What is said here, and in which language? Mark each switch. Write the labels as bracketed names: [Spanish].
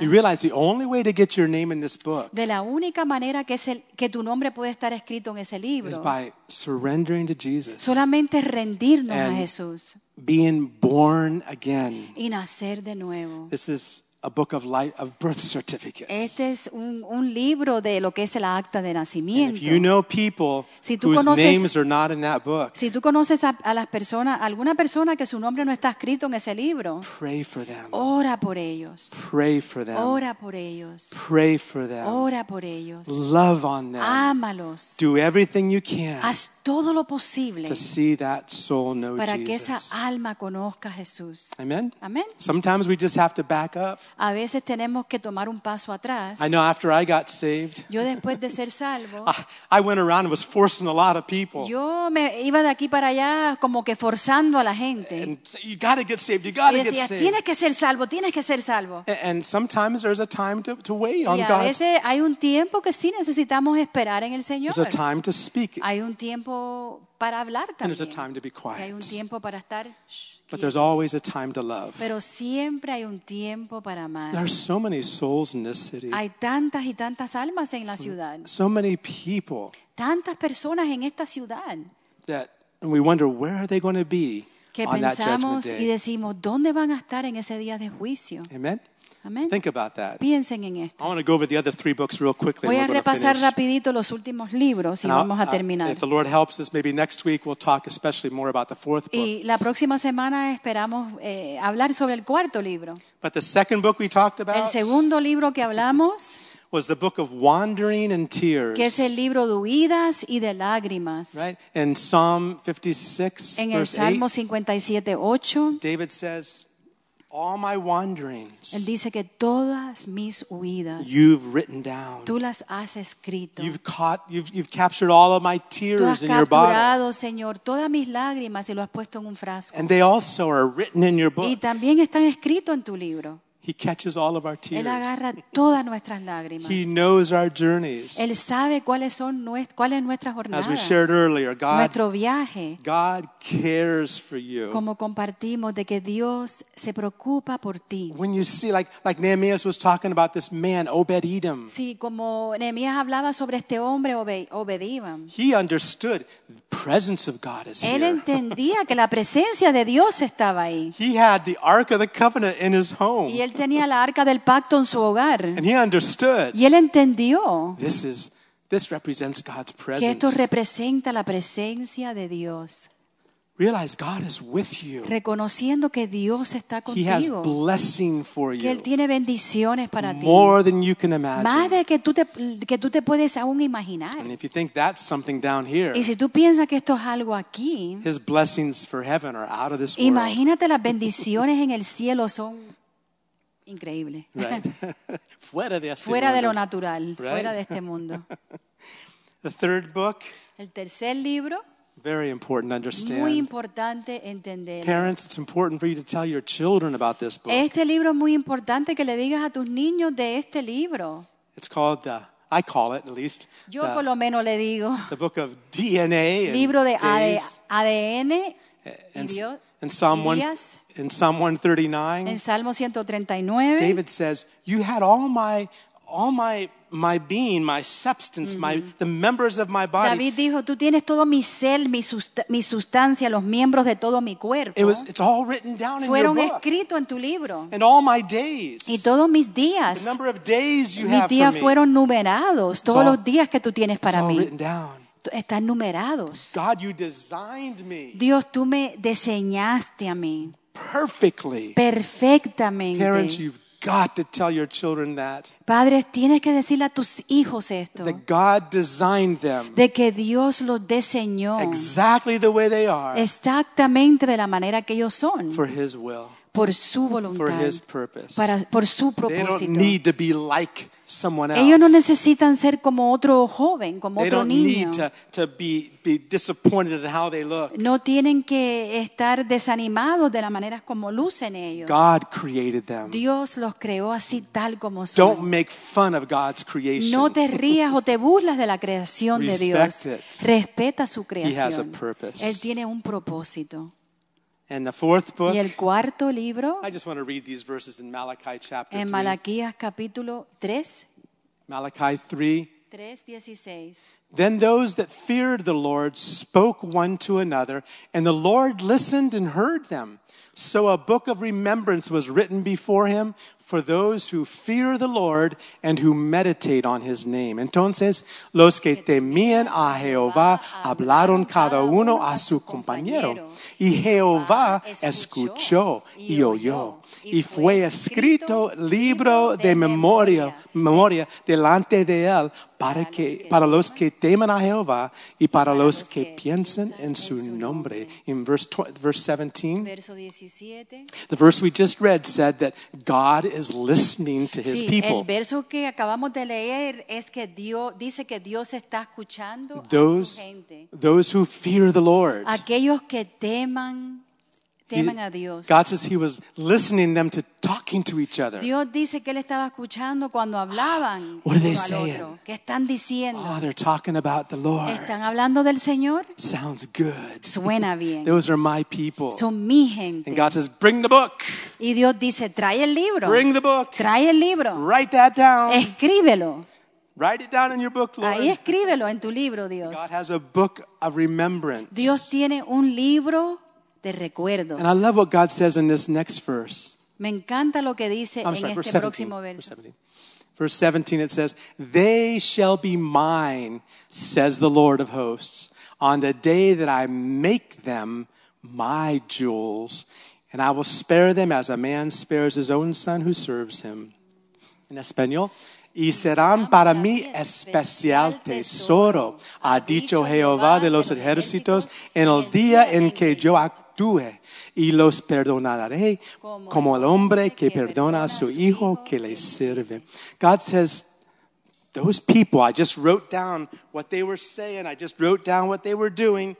[English] you realize the only way to get your name in this book, [Spanish] de la única manera que tu nombre puede estar escrito en ese libro, [English] is by surrendering to Jesus. [Spanish] Solamente rendirnos a Jesús. [English] Being born again. [Spanish] Y nacer de nuevo. [English] This is a book of life of birth certificates. [Spanish] Este es un libro de lo que es la acta de nacimiento. [English] And if you know people [Spanish] si [English] whose [Spanish] conoces, [English] names are not in that book. [Spanish] Si tú conoces a las personas, alguna persona que su nombre no está escrito en ese libro. [English] Pray for them. [Spanish] Ora por ellos. [English] Pray for them. [Spanish] Ora por ellos. [English] Pray for them. [Spanish] Ora por ellos. [English] Love on them. [Spanish] Ámalos. [English] Do everything you can. [Spanish] Haz todo lo posible [English] to see that soul know [Spanish] para [English] Jesus. [Spanish] Que esa alma conozca a Jesús. [English] Amen. [Spanish] Amen. [English] Sometimes we just have to back up. [Spanish] A veces tenemos que tomar un paso atrás. [English] I know after I got saved, [Spanish] yo después de ser salvo, [English] I went around and was forcing a lot of people. [Spanish] Yo me iba de aquí para allá como que forzando a la gente. [English] And you got to get saved. You got to get saved. [Spanish] Y decía, tienes que ser salvo, tienes que ser salvo. [English] And sometimes there's a time to wait on God. [Spanish] Y a veces hay un tiempo que sí necesitamos esperar en el Señor. [English] There's a time to speak. [Spanish] Hay un tiempo para hablar también. [English] And there's a time to be quiet. [Spanish] Y hay un tiempo para estar [English] But there's always a time to love. [Spanish] Pero siempre hay un tiempo para amar. [English] There are so many souls in this city. [Spanish] Hay tantas y tantas almas en la ciudad. [English] So many people. [Spanish] Tantas personas en esta ciudad. [English] That, and we wonder, where are they going to be [Spanish] que [English] on that judgment day? [Spanish] Pensamos y decimos, ¿dónde van a estar en ese día de juicio? [English] Amen. [Spanish] Amen. [English] Think about that. [Spanish] Piensen en esto. [English] I want to go over the other three books real quickly. [Spanish] Voy a repasar rapidito los últimos libros y vamos a terminar. [English] If the Lord helps us, maybe next week we'll talk especially more about the fourth book. [Spanish] Y la próxima semana esperamos hablar sobre el cuarto libro. [English] But the second book we talked about. [Spanish] El segundo libro que hablamos. [English] Was the book of wandering and tears. [Spanish] Que es el libro de huidas y de lágrimas. [English] Right? In Psalm 56, [Spanish] en el Salmo 57:8, [English] David says. All my wanderings. [Spanish] Él dice que todas mis huidas. [English] You've written down. [Spanish] Tú las has escrito. [English] You've captured all of my tears in your bottle. [Spanish] Tú has capturado, Señor, todas mis lágrimas y lo has puesto en un frasco. [English] And they also are written in your book. [Spanish] Y también están escritos en tu libro. [English] He catches all of our tears. [Spanish] Él agarra todas nuestras lágrimas. [English] He knows our journeys. [Spanish] Él sabe cuáles son nuestras jornadas. [English] As we shared earlier, [Spanish] nuestro viaje. [English] God cares for you. [Spanish] Como compartimos de que Dios se preocupa por ti. [English] When you see like Nehemiah was talking about this man Obed-Edom. [Spanish] Sí, como Nehemiah hablaba sobre este hombre Obed-Edom. [English] He understood the presence of God is [Spanish] él Él entendía que la presencia de Dios estaba ahí. [English] He had the Ark of the Covenant in his home. [Spanish] Y él tenía la arca del pacto en su hogar. [English] And he understood. [Spanish] Y él entendió. [English] This represents God's presence. [Spanish] Que esto representa la presencia de Dios. [English] Realize God is with you. [Spanish] Reconociendo que Dios está contigo. [English] He has blessing for you. [Spanish] Que él tiene bendiciones para ti. [English] More than you can imagine. [Spanish] Más de que tú te puedes aún imaginar. [English] And if you think that's something down here. [Spanish] Y si tú piensas que esto es algo aquí. [English] His blessings for heaven are out of this world. [Spanish] Imagínate las bendiciones en el cielo son increíble. [English] Right. [Spanish] Fuera de este fuera mundo. De lo natural, [English] right? [Spanish] Fuera de este mundo. [English] The third book. [Spanish] El tercer libro. [English] Very important to understand. [Spanish] Muy importante entender. [English] Parents, it's important for you to tell your children about this book. [Spanish] Este libro es muy importante que le digas a tus niños de este libro. [English] It's called the I call it at least. [Spanish] Yo por lo menos le digo. [English] The book of DNA. [Spanish] Libro de [English] days. [Spanish] ADN. [English] And Psalm 1. In Psalm 139, [Spanish] en Salmo 139, [English] David says, "You had all my being, my substance, mm-hmm. the members of my body." [Spanish] David dijo, "Tú tienes todo mi ser, mi sustancia, los miembros de todo mi cuerpo." [English] It's all written down in your book. [Spanish] Fueron escritos en tu libro. [English] And all my days. [Spanish] Y todos mis días. [English] The number of days you have for me. [Spanish] Mis días fueron numerados. Todos los días que tú tienes para mí. [English] It's all written down. [Spanish] Están numerados. [English] God, you designed me. [Spanish] Dios, tú me diseñaste a mí. [English] Perfectly. [Spanish] Perfectamente. [English] Parents, you've got to tell your children that. [Spanish] Padres, tienes que decirle a tus hijos esto. [English] That God designed them. [Spanish] De que Dios los diseñó. [English] Exactly the way they are. [Spanish] Exactamente de la manera que ellos son. [English] For His will. [Spanish] Por su voluntad. [English] For His purpose. [Spanish] Por su propósito. [English] They don't need to be like someone else. [Spanish] Ellos no necesitan ser como otro joven, como [English] they [Spanish] otro niño. [English] They don't need to be disappointed in how they look. [Spanish] No tienen que estar desanimados de la manera como lucen ellos. [English] God created them. [Spanish] Dios los creó así tal como son. [English] Don't make fun of God's creation. [Spanish] No te rías o te burlas de la creación de Dios. [English] Respect it. [Spanish] Respeta su creación. [English] He has a purpose. [Spanish] Él tiene un propósito. [English] And the fourth book. [Spanish] Y el cuarto libro. [English] I just want to read these verses in Malachi chapter [Spanish] 3. En Malaquías capítulo 3. [English] Malachi 3. 3:16. Then those that feared the Lord spoke one to another, and the Lord listened and heard them. So a book of remembrance was written before him for those who fear the Lord and who meditate on his name. [Spanish] Entonces, los que temían a Jehová hablaron cada uno a su compañero. Y Jehová escuchó y oyó. Y fue escrito libro de memoria delante de él para los que temen a Jehová y para los que piensan en su nombre. [English] In verse 17, the verse we just read said that God is listening to his people. [Spanish] El verso que acabamos de leer es que Dios dice que Dios está escuchando a su gente. [English] Those who fear the Lord. [Spanish] Aquellos que teman. [English] God says he was listening them to talking to each other. [Spanish] Dios dice que él estaba escuchando cuando hablaban. [English] What are they saying? [Spanish] ¿Qué están diciendo? [English] Oh, they're talking about the Lord. [Spanish] ¿Están hablando del Señor? [English] Sounds good. [Spanish] Suena bien. [English] Those are my people. [Spanish] Son mi gente. [English] And God says, bring the book. [Spanish] Y Dios dice, trae el libro. [English] Bring the book. [Spanish] Trae el libro. [English] Write that down. [Spanish] Escríbelo. [English] Write it down in your book, Lord. [Spanish] Ahí escríbelo en tu libro, Dios. [English] God has a book of remembrance. [Spanish] Dios tiene un libro. De recuerdos. [English] And I love what God says in this next verse. [Spanish] Me encanta lo que dice en este próximo verso. [English] Verse 17, it says, "They shall be mine, says the Lord of hosts, on the day that I make them my jewels, and I will spare them as a man spares his own son who serves him." [Spanish] En español. Y serán para mí especial tesoro, ha dicho Jehová de los ejércitos, en el día en que yo actúe, y los perdonaré como el hombre que perdona a su hijo que le sirve. [English] God says, those people, I just wrote down what they were saying, I just wrote down what they were doing.